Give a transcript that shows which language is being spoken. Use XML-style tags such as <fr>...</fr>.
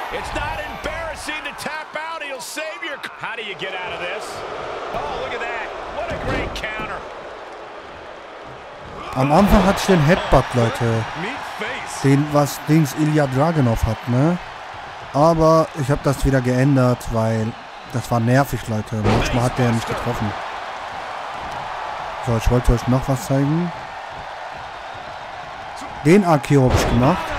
<en>It's not embarrassing to tap out. He'll save your. How do you get out of this? Oh, look at that. What a great counter.</en> <de>Am Anfang hatte ich den Headbutt, Leute. Den, was Dings Ilya Dragunov hat, ne? Aber ich habe das wieder geändert, weil das war nervig, Leute. Manchmal hat der nicht getroffen. So, ich wollte euch noch was zeigen. Den RKO habe ich gemacht.</de>